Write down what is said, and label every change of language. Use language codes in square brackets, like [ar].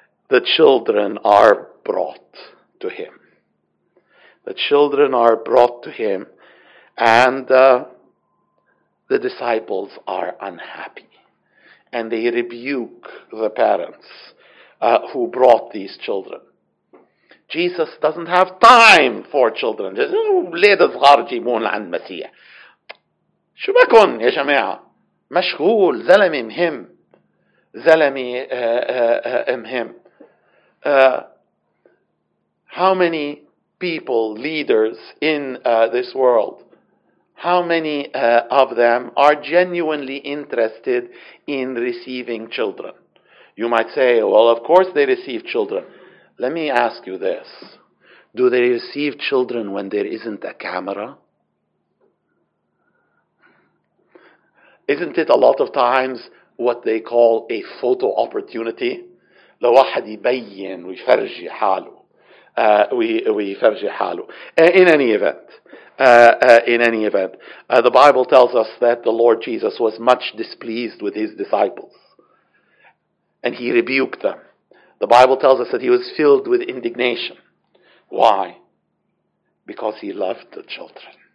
[en] The children are brought to him. The children are brought to him, and the disciples are unhappy. And they rebuke the parents who brought these children. Jesus doesn't have time for children. [ar] ليه الصغار يجيبون لعند المسيح؟ شو بكون يا جماعة؟ مشغول زلمي مهم. زلمي مهم. [en] How many people, leaders in this world, how many of them are genuinely interested in receiving children? You might say, well, of course they receive children. Let me ask you this. Do they receive children when there isn't a camera? Isn't it a lot of times what they call a photo opportunity? [ar] لواحد يبين ويفرجي حاله ويفرجي حاله. [en] In any event, the Bible tells us that the Lord Jesus was much displeased with his disciples, and he rebuked them. The Bible tells us that he was filled with indignation. Why? Because he loved the children.